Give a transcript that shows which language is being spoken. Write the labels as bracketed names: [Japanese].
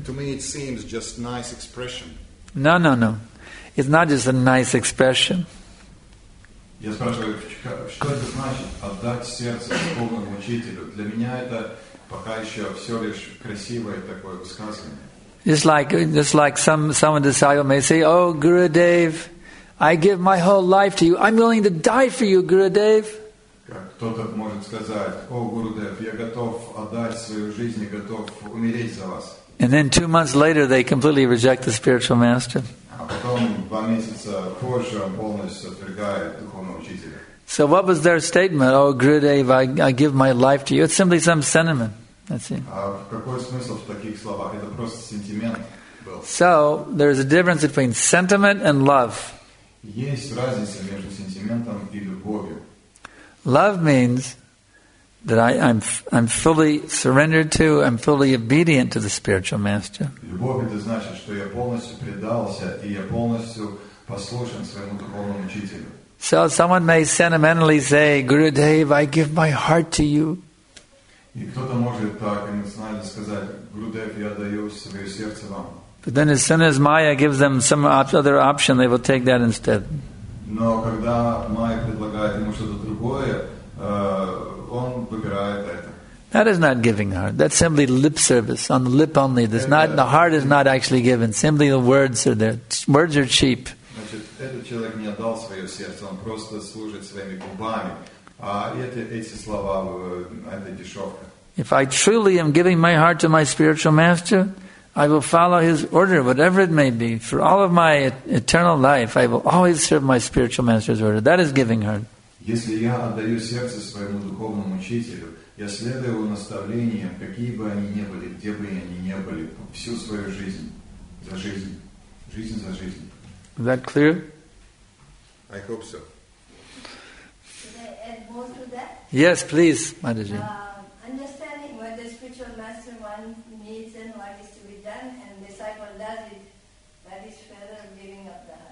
[English] To me it seems just nice expression. No. It's not just a nice expression. [Russian] Я спрашиваю, что это значит отдать сердце духовному учителю? Для меня это пока еще все лишь красивое такое высказывание. [English] Just like someone disciple may say, "Oh Gurudev, I give my whole life to you. I'm willing to die for you, Gurudev." [Russian] Кто-то может сказать, "О Гурудев, я готов отдать свою жизнь, готов умереть за вас." [English] And then 2 months later, they completely reject the spiritual master. [Russian] А потом 2 месяца позже полностью отвергают духовного учителя. [English] So what was their statement? "Oh Gurudev, I give my life to you." It's simply some sentiment. That's it. [Russian] Какой смысл в таких словах? Это просто сентимент. [English] So there is a difference between sentiment and love. [Russian] Есть разница между сентиментом и любовью. [English] Love means that I'm fully surrendered to, I'm fully obedient to the spiritual master. [Russian] Любовь это значит, что я полностью предался и я полностью послушен своему духовному учителю. [English] So someone may sentimentally say, Gurudev, I give my heart to you. [Russian] И кто-то может так эмоционально сказать, Gurudev, я даю свое сердце вам. [English] But then as soon as Maya gives them some other option, they will take that instead. [Russian] Но когда Майя предлагает ему что-то другое, он выбирает это. [English] That is not giving heart. That's simply lip service, on the lip only. This not the heart is not actually given. Simply the words are there. Words are cheap. [Russian] Значит, этот человек не отдал свое сердце, он просто служит своими губами. А эти слова, это дешевка. [English] If I truly am giving my heart to my spiritual master, I will follow his order, whatever it may be. For all of my eternal life, I will always serve my spiritual master's order. That is giving heart. [Russian] Если я отдаю сердце своему духовному учителю, я следую его наставлениям, какие бы они ни были, где бы они ни были, всю свою жизнь, за жизнь, жизнь за жизнь. [English] Is that clear? I hope so. Should I add more to that? Yes, please, Madhuji. Understanding what the spiritual master wants, needs, and what is to be done, and disciple does it, that is further giving the heart.